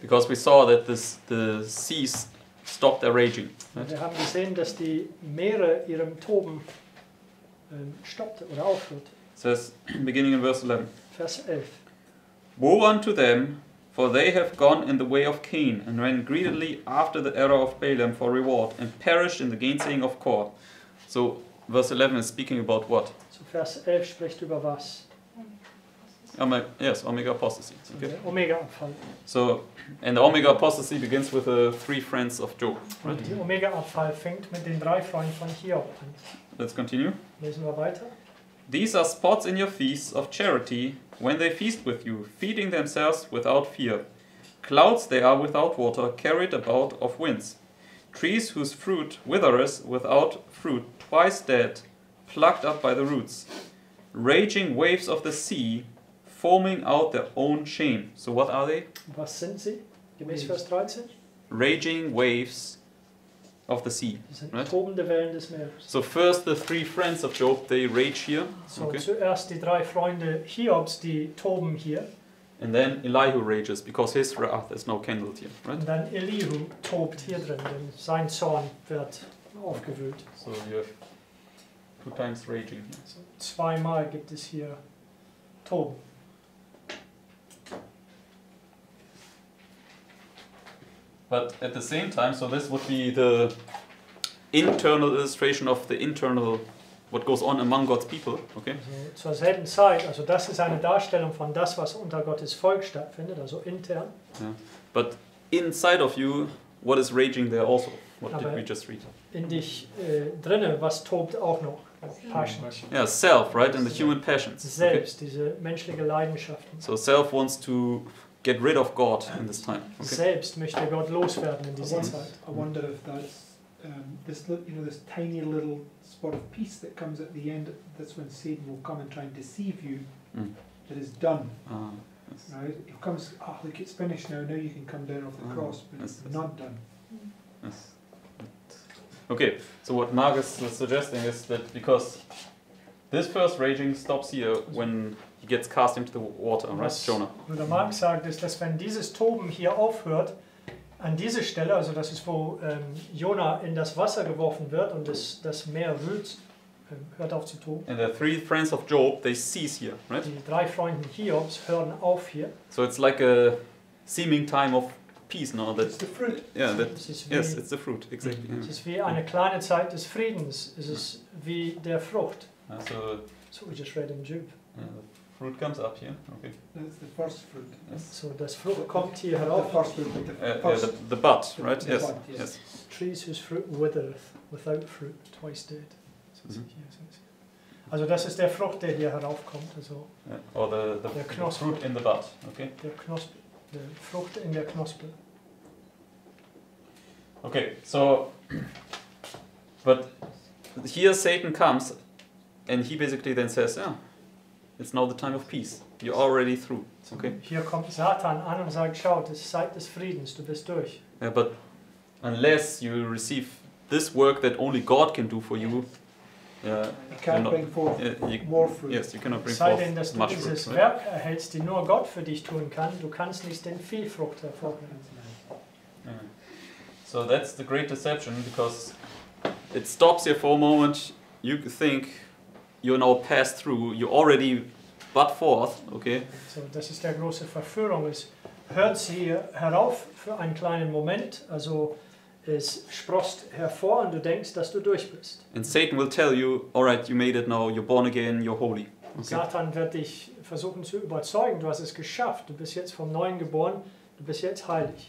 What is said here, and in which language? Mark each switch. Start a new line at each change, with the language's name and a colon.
English: Because we saw that the seas stopped their raging.
German: Right? Wir haben gesehen, dass die Meere ihrem Toben stoppte oder aufhört.
English: It says, beginning in verse 11.
German: Vers 11.
English: Woe unto them, for they have gone in the way of Cain, and ran greedily after the error of Balaam for reward, and perished in the gainsaying of Kor. So verse 11 is speaking about what?
German: So Vers 11 spricht über was?
English: Omega apostasy.
German: Okay. Omega Abfall.
English: So, and the Omega apostasy begins with the three friends of Job. Right?
German: Und die Omega Abfall fängt mit den drei Freunden von Hiob an.
English: Let's continue.
German: Lesen wir weiter.
English: These are spots in your feasts of charity, when they feast with you, feeding themselves without fear. Clouds they are without water, carried about of winds. Trees whose fruit withereth without fruit, twice dead, plucked up by the roots. Raging waves of the sea, foaming out their own shame. So what are they?
German: Was sind sie? Gemäß Vers 13?
English: Raging waves of the sea.
German: Sind tobende Wellen des Meeres.
English: So first the three friends of Job, they rage here.
German: So zuerst die drei Freunde Hiobs, die toben hier.
English: And then Elihu rages because his wrath is now kindled here, right? And then
German: Elihu tobt hier drin, denn sein Zorn wird aufgewühlt.
English: So you have two times raging.
German: So zweimal gibt es hier Toben.
English: But at the same time, so this would be the internal illustration of the internal what goes on among God's people, okay?
German: Also, zur selben Zeit, also das ist eine Darstellung von das, was unter Gottes Volk stattfindet, also intern.
English: Yeah. But inside of you, what is raging there also? What
German: Aber
English: did we just read?
German: In dich drinne, was tobt auch noch? Passions.
English: Yeah, self, right? And the human passions.
German: Selbst, okay? Diese menschliche Leidenschaften.
English: So self wants to get rid of God in this time.
German: Okay? Selbst möchte Gott loswerden in dieser Zeit.
English: I wonder if that's this, you know, this tiny little spot of peace that comes at the end. That's when Satan will come and try and deceive you. That is done. Right? He comes. Oh, look, it's finished now. Now you can come down off the cross, but it's not done. Yes. Okay, so what Mark is suggesting is that because this first raging stops here when he gets cast into the water, right, Jonah?
German: Oder Mark sagt, ist, dass wenn dieses Toben hier aufhört, an dieser Stelle, also das ist, wo Jonah in das Wasser geworfen wird und das Meer wühlt, hört auf zu toben.
English: And the three friends of Job, they cease here, right?
German: Die drei Freunde Hiobs hören auf hier.
English: So it's like a seeming time of peace, no? That, it's the fruit. Yeah, that, yes, it's the fruit, exactly.
German: Es ist wie eine kleine Zeit des Friedens. Es ist wie der Frucht.
English: So we just read in Job. Fruit comes up here. Okay. That's the first fruit.
German: Yes. So das Frucht kommt hier herauf.
English: The first fruit. The, the bud, right? The bud, yes. Trees whose fruit withereth without fruit twice dead.
German: Also das ist der Frucht, der hier heraufkommt. Also
English: Or the Knospe. Fruit in the bud. Okay.
German: Der Knospe. The Frucht in der Knospe.
English: Okay, so, but here Satan comes, and he basically then says, yeah, it's now the time of peace. You're already through. Okay.
German: Hier kommt Satan an und sagt, schau, das ist Zeit des Friedens, du bist durch.
English: Yeah, but unless you receive this work that only God can do for you, So that's the great deception, because it stops here for a moment. You think you're now passed through, you already butt forth, okay?
German: So das ist der große Verführung. Es hört sie herauf für einen kleinen Moment, also es sprost hervor und du denkst, dass du durch bist.
English: And Satan will tell you, all right, you made it now, you're born again, you're holy. Okay.
German: Satan wird dich versuchen zu überzeugen, du hast es geschafft, du bist jetzt vom Neuen geboren, du bist jetzt heilig.